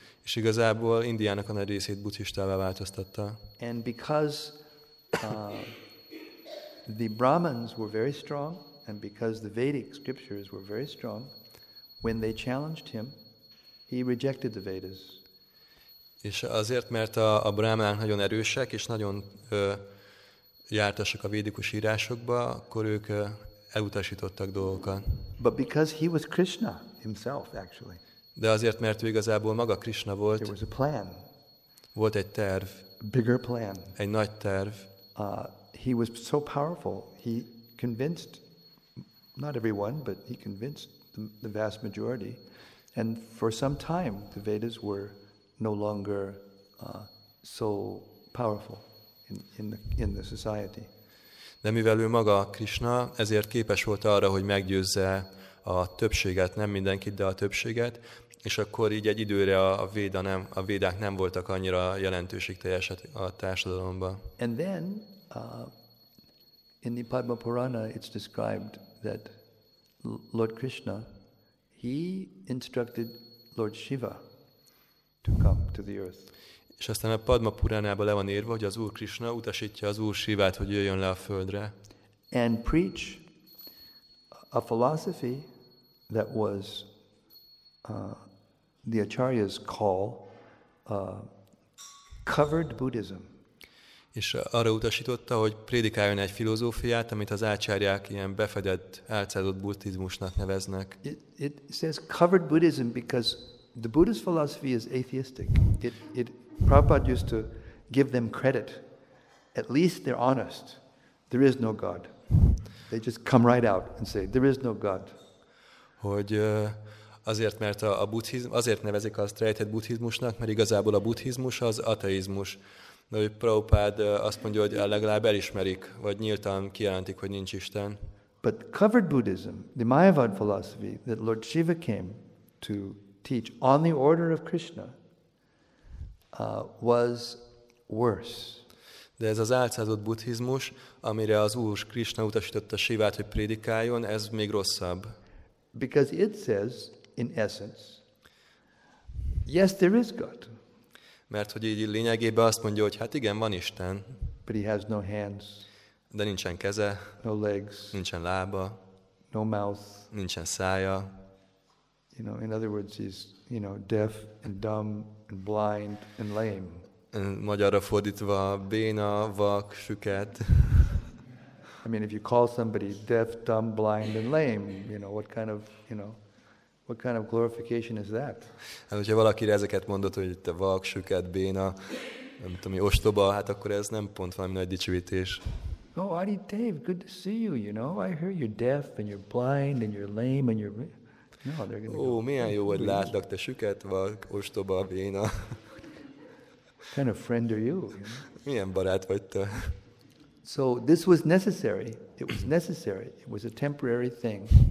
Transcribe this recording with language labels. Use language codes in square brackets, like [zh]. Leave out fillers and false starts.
[hu] És igazából Indiának a nagy részét buddhistává változtatta. [en] And because the Brahmins were very strong, and because the Vedic scriptures were very strong, when they challenged him, he rejected the Vedas. [hu] És azért, mert a brahmanák nagyon erősek és nagyon jártasak a védikus írásokba, akkor ők elutasítottak dolgokat. [en] But because he was Krishna himself, actually. [hu] De azért, mert ő igazából maga Krishna volt. [en] There was a plan. [hu] Volt egy terv. [en] A bigger plan. [hu] Egy nagy terv. [en] He was so powerful. He convinced not everyone, but he convinced the vast majority. And for some time, the Vedas were no longer so powerful in the society. [hu] De mivel ő maga Krishna, ezért képes volt arra, hogy meggyőzze a többséget, nem mindenkit, de a többséget, és akkor így egy időre a védák nem voltak annyira jelentőségteljes a társadalomban. [en] And then in the Padma Purana it's described that Lord Krishna, he instructed Lord Shiva to come to the earth. [hu] És aztán a Padma Puránában le van írva, hogy az Úr Krishna utasítja az Úr Shivát, hogy jöjjön le a földre. [en] And preach a philosophy that was the Acharya's call, covered Buddhism. [hu] És arra utasította, hogy prédikáljon egy filozófiát, amit az ácsárják ilyen befedett, álcázott buddhizmusnak neveznek. [en] It says covered Buddhism because the Buddhist philosophy is atheistic. It Prabhupada used to give them credit. At least they're honest. There is no God. They just come right out and say, there is no God. [hu] Hogy azért, mert a buddhizmus, azért nevezik azt rejtett buddhizmusnak, mert igazából a buddhizmus az ateizmus. De hogy Prabhupada azt mondja, hogy legalább elismerik, vagy nyíltan kijelentik, hogy nincs Isten. [en] But covered Buddhism, the Mayavada philosophy that Lord Shiva came to teach on the order of Krishna, was worse. [hu] De ez az álcázott buddhizmus, amire az Úr Krishna utasította Shivát, hogy prédikáljon, ez még rosszabb. [en] Because it says, in essence, yes, there is God. [hu] Mert hogy így lényegében azt mondja, hogy hát igen, van Isten. [en] But he has no hands. [hu] De nincsen keze. [en] No legs. [hu] Nincsen lába. [en] No mouth. [hu] Nincsen szája. [en] You know, in other words, he's, you know, deaf and dumb and blind and lame. [hu] Magyarra fordítva, béna, vak, süket. [en] I mean, if you call somebody deaf, dumb, blind and lame, you know, what kind of, you know, what kind of glorification is that? [hu] Hát, hogyha valakire ezeket mondott, hogy te vak, süket, béna, nem tudom, ostoba, hát akkor ez nem pont valami nagy dicsőítés. [en] Oh, Adi Dave, good to see you, you know, I hear you're deaf and you're blind and you're lame and you're... No, they're gonna [hu] Ó, milyen jó, hogy látlak, te süket, vak, ostoba, béna. [en] What kind of friend are you? [hu] Milyen barát vagy te? [en] So this was necessary. It was necessary. It was a temporary thing.